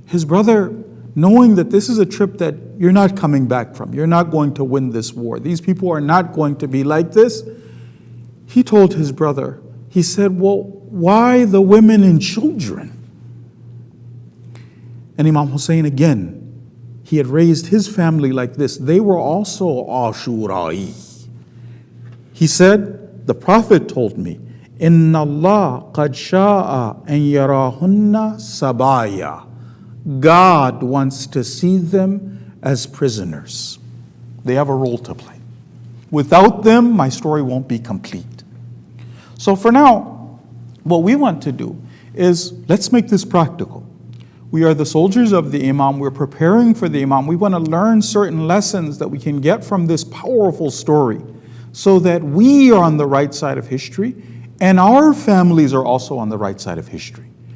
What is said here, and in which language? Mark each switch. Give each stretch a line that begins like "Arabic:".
English: His brother, knowing that this is a trip that you're not coming back from, you're not going to win this war, these people are not going to be like this, he told his brother, he said, well, why the women and children? And Imam Hussein, again, he had raised his family like this. They were also Ashura'i. He said, the Prophet told me,
Arabic: إِنَّ اللَّهَ قَدْ شَاءَ أَنْ يَرَاهُنَّ سَبَايَا.
English: God wants to see them as prisoners. They have a role to play. Without them, my story won't be complete. So for now, what we want to do is, let's make this practical. We are the soldiers of the imam. We're preparing for the imam. We want to learn certain lessons that we can get from this powerful story so that we are on the right side of history and our families are also on the right side of history.